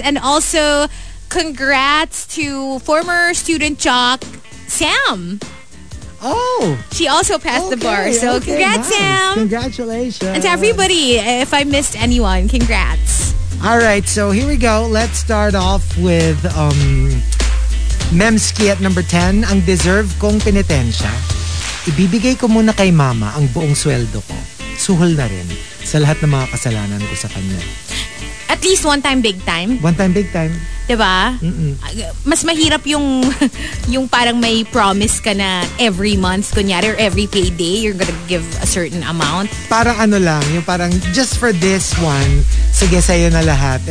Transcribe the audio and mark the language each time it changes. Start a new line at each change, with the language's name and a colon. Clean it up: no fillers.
English: And also congrats to former student jock Sam. Oh. She also passed the bar. So congrats, nice. Sam. Congratulations. And to everybody, if I missed anyone, congrats. All right. So here we go. Let's start off with Memski at number 10.
Filipino: Ang deserve kong penitensya. Ibibigay ko muna kay mama ang buong sweldo ko. Suhol na rin sa lahat ng mga kasalanan ko sa kanya.
English: At least one time big time. One time big time.
Filipino: Diba? Mas mahirap yung parang may
English: promise ka na every month, kunyari, or every payday, you're gonna give a certain amount.
Filipino: Parang ano lang, yung parang
English: just for this one,
Filipino: sige sa'yo na lahat.